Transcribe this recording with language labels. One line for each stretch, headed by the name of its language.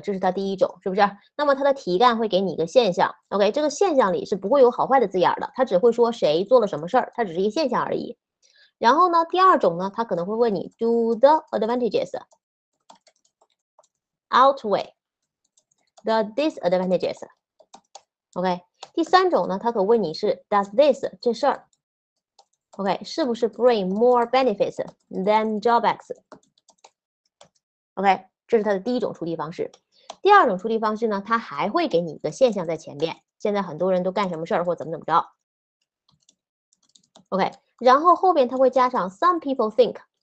Chinese: 这是它第一种，是不是？那么它的题干会给你一个现象 ，OK， 这个现象里是不会有好坏的字眼的，它只会说谁做了什么事儿，它只是一个现象而已。
English: 然后呢，第二种呢，它可能会问你 ，Do the advantages outweigh the disadvantages？
Chinese: OK， 第三种呢，他可问你是 does this 这事儿 ，OK， 是不是
English: bring more benefits than drawbacks？
Chinese: OK， 这是他的第一种出题方式。第二种出题方式呢，他还会给你一个现象在前面，现在很多人都干什么事儿或怎么怎么着。 OK， 然后后面他会加上
English: some people think。